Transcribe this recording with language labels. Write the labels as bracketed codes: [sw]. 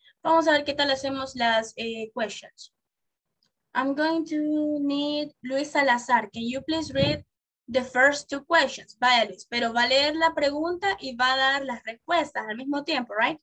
[es] Vamos a ver qué tal hacemos las questions. [en] I'm going to need Luis Salazar. Can you please read the first two questions? [es] Vaya, Luis. Pero va a leer la pregunta y va a dar las respuestas al mismo tiempo, right?